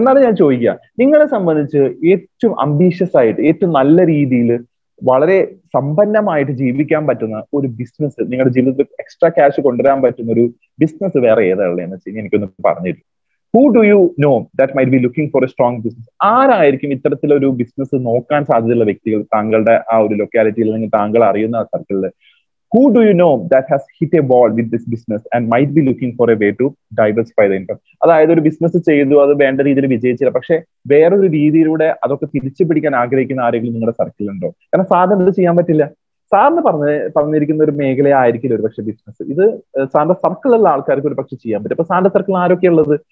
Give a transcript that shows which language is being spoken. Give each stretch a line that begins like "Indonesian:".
Malayalam: എന്നാലും ഞാൻ ചോദിക്കുക, നിങ്ങളെ സംബന്ധിച്ച് ഏറ്റവും അംബീഷ്യസ് ആയിട്ട് ഏറ്റവും നല്ല രീതിയിൽ വളരെ സമ്പന്നമായിട്ട് ജീവിക്കാൻ പറ്റുന്ന ഒരു ബിസിനസ്, നിങ്ങളുടെ ജീവിതത്തിൽ എക്സ്ട്രാ ക്യാഷ് കൊണ്ടുവരാൻ പറ്റുന്ന ഒരു ബിസിനസ് വേറെ ഏതാ ഉള്ളതെന്ന് വെച്ച് കഴിഞ്ഞാൽ എനിക്കൊന്ന് പറഞ്ഞു തരും.
English: Who do you know that might be looking for a strong business?
Malayalam: ആരായിരിക്കും ഇത്തരത്തിലൊരു ബിസിനസ് നോക്കാൻ സാധ്യതയുള്ള വ്യക്തികൾ താങ്കളുടെ ആ ഒരു ലൊക്കാലിറ്റിയിൽ നിന്ന് താങ്കൾ അറിയുന്ന സർക്കിളില്?
English: Who do you know that has hit a ball with this business and might be looking for a way to diversify the income?
Malayalam: അതായത് ഒരു ബിസിനസ് ചെയ്തു അത് വേണ്ട രീതിയിൽ വിജയിച്ചില്ല, പക്ഷെ വേറൊരു രീതിയിലൂടെ അതൊക്കെ തിരിച്ചു പിടിക്കാൻ ആഗ്രഹിക്കുന്ന ആരെങ്കിലും നിങ്ങളുടെ സർക്കിളുണ്ടോ? കാരണം സാറിന് ഇത് ചെയ്യാൻ പറ്റില്ല. സാറിന് പറഞ്ഞിരിക്കുന്ന ഒരു മേഖലയായിരിക്കില്ല ഒരു പക്ഷെ ബിസിനസ്. ഇത് സാറിന്റെ സർക്കിളുള്ള ആൾക്കാർക്ക് ഒരു പക്ഷെ ചെയ്യാൻ പറ്റും. അപ്പൊ സാറിന്റെ സർക്കിളിൽ ആരൊക്കെയുള്ളത്?